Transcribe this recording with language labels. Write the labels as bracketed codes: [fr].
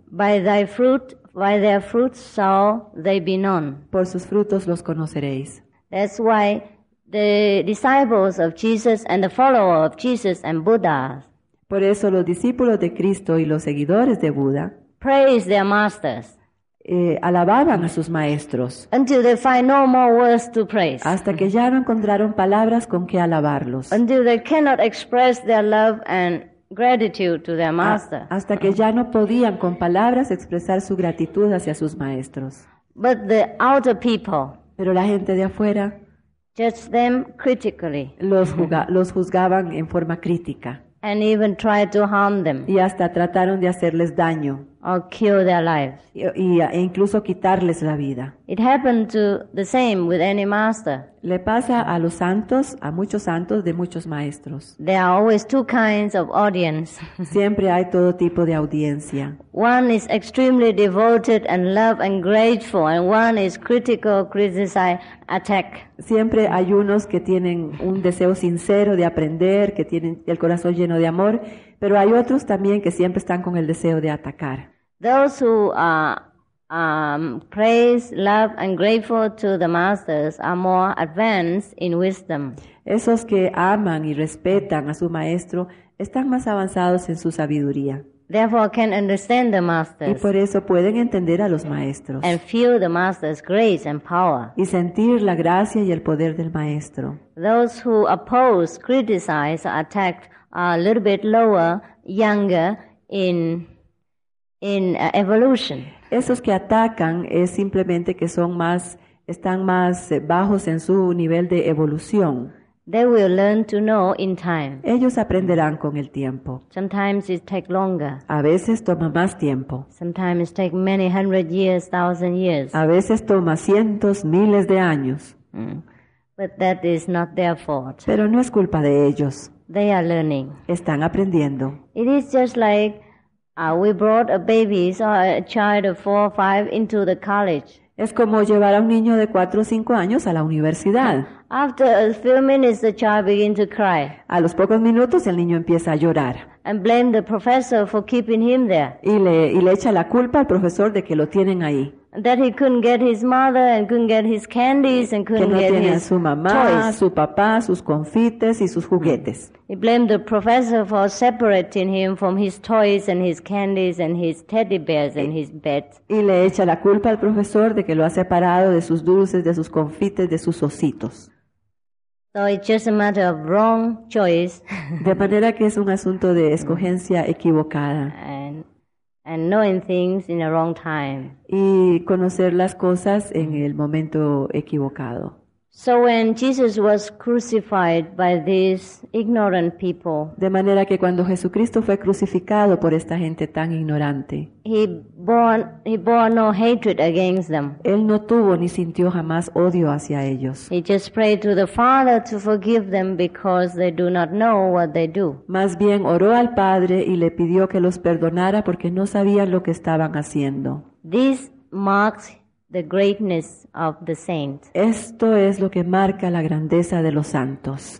[en] By their fruits shall they be known. [es] Por sus frutos los conoceréis. [en] That's why the disciples of Jesus and the followers of Jesus and Buddha. [es] Por eso los discípulos de Cristo y los seguidores de Buda. [en] Praise their masters. [es] Alababan a sus maestros. [en] Until they find no more words to praise. [es] Hasta que ya no encontraron palabras con que alabarlos. [en] Until they cannot express their love and gratitude to their master. [es] Hasta que ya no podían con palabras expresar su gratitud hacia sus maestros. [en] But the outer people. [es] Pero la gente de afuera. [en] Judge them critically. [es] Los juzgaban en forma crítica. [en] And even tried to harm them. [es] Y hasta trataron de hacerles daño. [en] Or kill their lives. [es] E incluso quitarles la vida. [en] It happened to the same with any master. [es] Le pasa a los santos, a muchos santos de muchos maestros. [en] There are always two kinds of audience. [es] Siempre hay todo tipo de audiencia. [en] One is extremely devoted and love and grateful, and one is critical, criticize, attack. [es] Siempre hay unos que tienen un deseo sincero de aprender, que tienen el corazón lleno de amor. Pero hay otros también que siempre están con el deseo de atacar. [en] Those who are Praise, love, and grateful to the masters are more advanced in wisdom. [es] Esos que aman y respetan a su maestro están más avanzados en su sabiduría. [en] Therefore, can understand the masters. [es] Y por eso pueden entender a los maestros. [en] And feel the master's grace and power. [es] Y sentir la gracia y el poder del maestro. [en] Those who oppose, criticize, or attack are a little bit lower, younger in evolution. [es] Esos que atacan es simplemente que son más, están más bajos en su nivel de evolución. [en] They will learn to know in time. [es] Ellos aprenderán con el tiempo. [en] Sometimes it takes longer. [es] A veces toma más tiempo. [en] Sometimes it takes many hundred years, thousand years. [es] A veces toma cientos, miles de años. [en] But that is not their fault. [es] Pero no es culpa de ellos. [en] They are learning. [es] Están aprendiendo. [en] It is just like we brought a baby or a child of 4 or 5 into the college. [es] Es como llevar a un niño de 4 o 5 años a la universidad. [en] After a few minutes, the child begins to cry. [es] A los pocos minutos, el niño empieza a llorar. [en] And blame the professor for keeping him there. [es] Y le echa la culpa al profesor de que lo tienen ahí. [en] That he couldn't get his mother and couldn't get his candies and couldn't get his toys. [es] Que no tiene a su mamá, su papá, sus confites y sus juguetes. [en] He blamed the professor for separating him from his toys and his candies and his teddy bears and his bed. [es] Y le echa la culpa al profesor de que lo ha separado de sus dulces, de sus confites, de sus ositos. [en] So it's just a matter of wrong choice. [es] De manera que es un asunto de escogencia equivocada. [en] And knowing things in a wrong time. [es] Y conocer las cosas en el momento equivocado. [en] So when Jesus was crucified by these ignorant people, [es] de manera que cuando Jesucristo fue crucificado por esta gente tan ignorante, [en] he bore no hatred against them. [es] Él no tuvo ni sintió jamás odio hacia ellos. [en] He just prayed to the Father to forgive them because they do not know what they do. [es] Más bien oró al Padre y le pidió que los perdonara porque no sabían lo que estaban haciendo. [en] This marks the greatness of the saints. [es] Esto es lo que marca la grandeza de los santos.